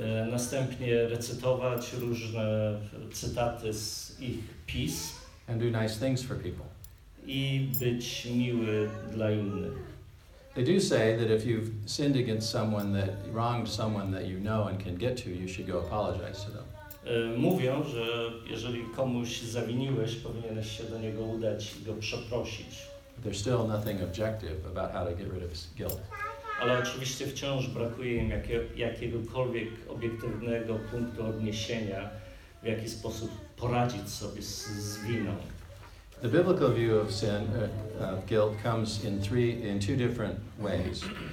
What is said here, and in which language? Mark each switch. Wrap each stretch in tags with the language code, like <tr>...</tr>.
<pl>Następnie recytować różne cytaty z ich pism.</pl> <en>And do nice things for people.</en> <pl>I być miły dla innych.</pl> <en>They do say that if you've sinned against someone, that wronged someone that you know and can get to, you should go apologize to them.</en> <pl>Mówią, że jeżeli komuś zawiniłeś, powinieneś się do niego udać i go przeprosić.</pl> <en>There's still nothing objective about how to get rid of guilt.</en> <pl>Ale oczywiście wciąż brakuje im jakiegokolwiek obiektywnego punktu odniesienia, w jaki sposób poradzić sobie z winą.</pl> <en>The biblical view of sin, of guilt, comes in two different ways.</en>